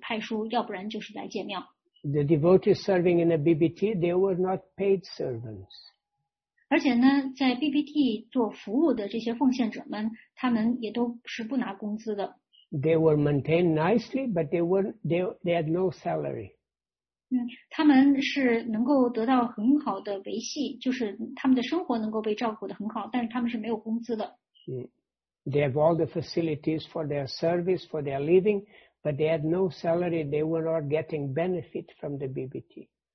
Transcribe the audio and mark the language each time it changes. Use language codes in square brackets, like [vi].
[zh] 但是呢，没有任何一个个人会得到这个其中的利益。这个钱全部都用来，要不然就是派书，要不然就是来建庙。 [en] The devotees serving in a BBT, they were not paid servants. [zh] 而且呢，在 BBT 做服务的这些奉献者们，他们也都是不拿工资的。 [en] They were maintained nicely, but they had no salary. [zh] 他们是能够得到很好的维系，就是他们的生活能够被照顾得很好，但是他们是没有工资的。 [en] They have all the facilities for their service, for their living, but they had no salary. They were not getting benefit from the BBT.